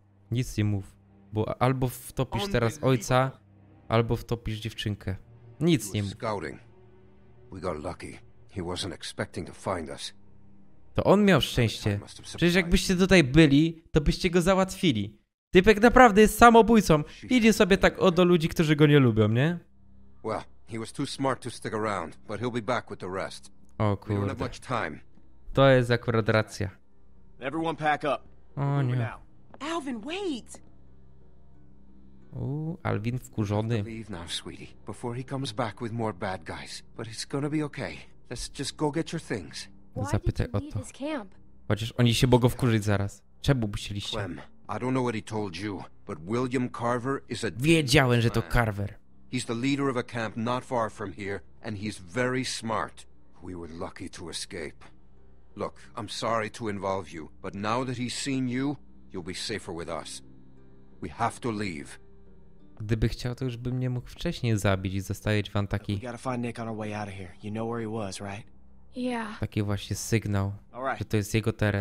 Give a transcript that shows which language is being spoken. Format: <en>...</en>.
<pl>Nic nie mów, bo albo wtopisz teraz ojca, albo wtopisz dziewczynkę. Nic nie mów.</pl> <en>Scouting. We got lucky. He wasn't expecting to find us.</en> <pl>To on miał szczęście. Przecież jakbyście tutaj byli, to byście go załatwili. Typek naprawdę jest samobójcą. Idzie sobie tak o do ludzi, którzy go nie lubią, nie?</pl> <en>Well. He was too smart to stick around, but he'll be back with the rest.</en> <pl>O kurde.</pl> <en>We don't have much time.</en> <pl>To jest akurat racja.</pl> <en>Everyone pack up.</en> <pl>O nie.</pl> <en>Alvin, wait.</en> <pl>Alvin wkurzony.</pl> <en>Leave now, sweetie, before he comes back with more bad guys. But it's gonna be okay. Let's just go get your things.</en> <pl>Zapytaj o to. Chociaż oni się mogą wkurzyć zaraz. Czemu musieliście?</pl> <en>Clem, I don't know what he told you, but William Carver is a...</en> <pl>Wiedziałem, że to Carver.</pl> <en>He's the leader of a camp not far from here, and he's very smart. We were lucky to escape. Look, I'm sorry to involve you, but now that he's seen you, you'll be safer with us. We have to leave.</en> <pl>Gdyby chciał, to już bym nie mógł wcześniej zabić i zostawić wam taki...</pl> <en>We gotta find Nick on our way out of here. You know where he was, right? Yeah.</en> <pl>Taki właśnie sygnał, że to jest jego teren.</pl>